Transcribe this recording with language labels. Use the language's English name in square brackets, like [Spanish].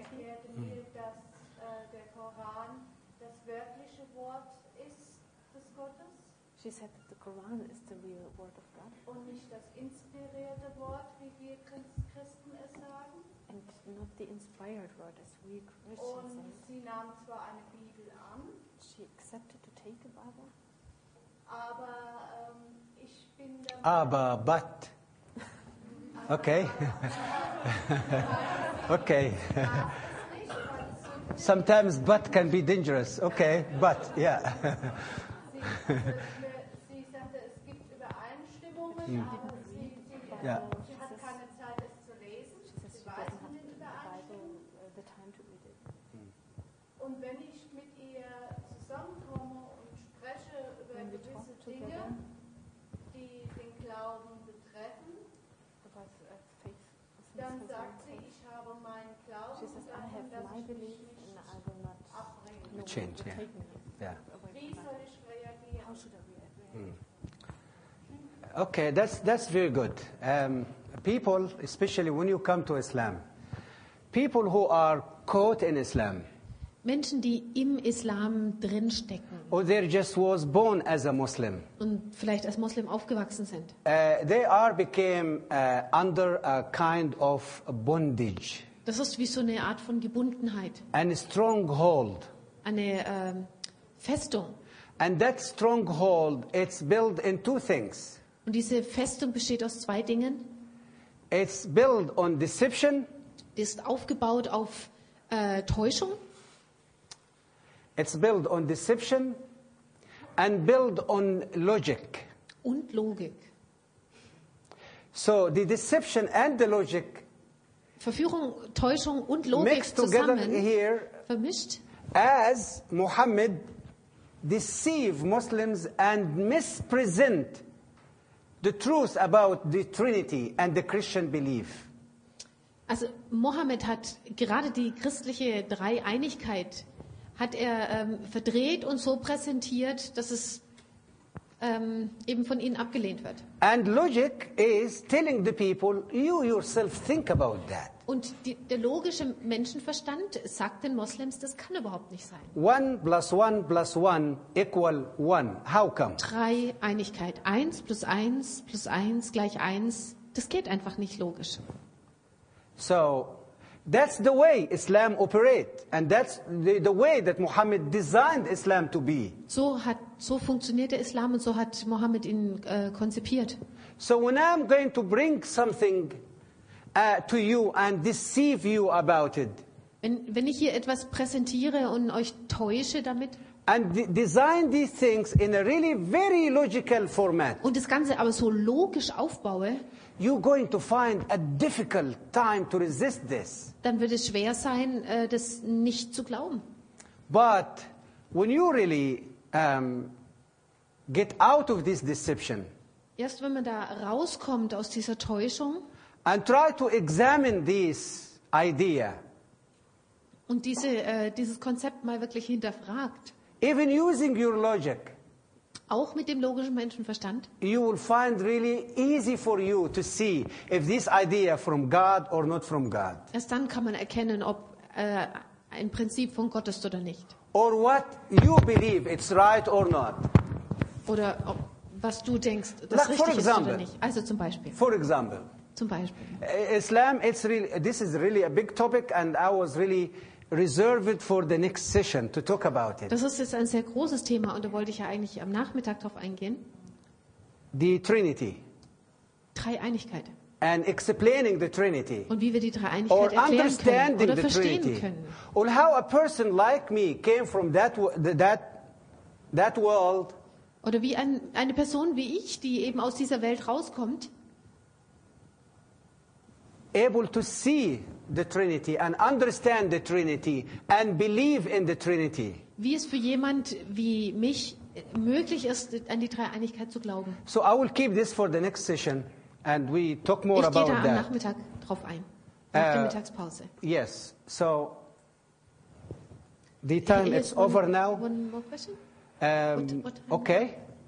[German] Sie erklärte mir, dass der Koran das wirkliche Wort ist des Gottes. [English] She said that the Quran is the real word of God. [German] Und nicht das inspirierte Wort, wie wir Christen es sagen. [English] And not the inspired word, as we Christians [German] say. Und sie nahm zwar eine Bibel an. [English] She accepted to take a Bible. [German] Aber ich bin da. Aber, but. Okay. Okay. [English] Sometimes but can be dangerous. Okay, but, yeah. [German] Sie sagte, es gibt Übereinstimmungen, aber sie hat keine Zeit, es zu lesen. Sie weiß von den Übereinstimmungen. Und wenn ich mit ihr zusammenkomme und spreche über gewisse Dinge, die den Glauben betreffen, [English] she says, I have my belief and I will not no change. Yeah. Yeah. How should I react? Okay, that's very good. People, especially when you come to Islam, people who are caught in Islam, [German] Menschen, die im Islam drinstecken. [English] Or they just was born as a Muslim. [German] Und vielleicht als Muslim aufgewachsen sind. [English] They are became under a kind of bondage. [German] Das ist wie so eine Art von Gebundenheit. [English] And a stronghold. [German] Eine Festung. [English] And that stronghold, it's built in two things. [German] Und diese Festung besteht aus zwei Dingen. [English] It's built on deception. [German] Die ist aufgebaut auf Täuschung. [English] It's built on deception and built on logic. [German] Und Logik. [English] So the deception and the logic [German] Verführung, Täuschung und Logik [English] mixed together here [German] vermischt. [English] As Muhammad deceive Muslims and mispresent the truth about the Trinity and the Christian belief. [German] Also Mohammed hat gerade die christliche Dreieinigkeit hat er verdreht und so präsentiert, dass es eben von ihnen abgelehnt wird. [English] And logic is telling the people, you yourself think about that. [German] Und der logische Menschenverstand sagt den Moslems, das kann überhaupt nicht sein. [English] 1 + 1 + 1 = 1. How come? [German] Drei Einigkeit. 1 + 1 + 1 = 1. Das geht einfach nicht logisch. [English] So, that's the way Islam operates, and that's the way that Muhammad designed Islam to be. [German] So funktioniert der Islam, und so hat Muhammad ihn konzipiert. [English] So when I'm going to bring something to you and deceive you about it, [German] wenn ich hier etwas präsentiere und euch täusche damit, [English] and design these things in a really very logical format, [German] und das Ganze aber so logisch aufbaue, [English] you're going to find a difficult time to resist this. [German] Dann wird es schwer sein, das nicht zu glauben. [English] But when you really get out of this deception, [German] erst wenn man da rauskommt aus dieser Täuschung, [English] and try to examine this idea, [German] und dieses Konzept mal wirklich hinterfragt, [English] even using your logic, [German] auch mit dem logischen Menschenverstand, [English] you will find really easy for you to see if this idea from God or not from God. [German] Erst dann kann man erkennen, ob ein Prinzip von Gott ist oder nicht. [English] Or what you believe it's right or not. [German] Oder ob, was du denkst, das like, richtig [English] example, [German] ist oder nicht. Also zum Beispiel. [English] For example. [German] Zum Beispiel. [English] Islam, it's really, this is really a big topic and I was really reserved for the next session to talk about it. [German] Das ist jetzt ein sehr großes Thema und da wollte ich ja eigentlich am Nachmittag drauf eingehen. [English] The Trinity. [German] Dreieinigkeit. [English] And explaining the Trinity. [German] Und wie wir die Dreieinigkeit or erklären [English] understanding [German] können oder the verstehen Trinity. Können. [English] Or how a person like me came from that world. [German] Oder wie eine Person wie ich, die eben aus dieser Welt rauskommt, [English] able to see the Trinity and understand the Trinity and believe in the Trinity. [German] Wie es für jemand wie mich möglich ist, an die Dreieinigkeit zu glauben. [English] So I will keep this for the next session and we talk more [German] ich [English] about [German] da [English] that. [German] Am Nachmittag drauf ein. Nach der Mittagspause. [English] Yes. So the time is over now. One more question? Okay.